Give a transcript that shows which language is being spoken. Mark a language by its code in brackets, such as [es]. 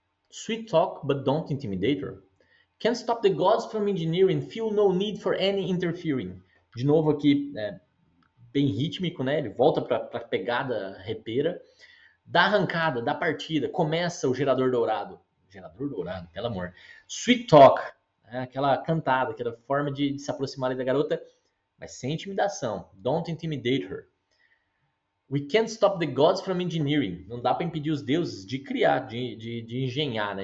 [en] Sweet talk, but don't intimidator. Can't stop the gods from engineering. Feel no need for any interfering. [pt] De novo aqui, bem rítmico, né? Ele volta para a pegada repeira. Dá arrancada, dá partida. Começa o gerador dourado. Gerador dourado, pelo amor. Sweet talk, né? Aquela cantada, aquela forma de se aproximar ali da garota, mas sem intimidação. [en] Don't intimidate her. We can't stop the gods from engineering. [pt] Não dá para impedir os deuses de criar, de engenhar, né?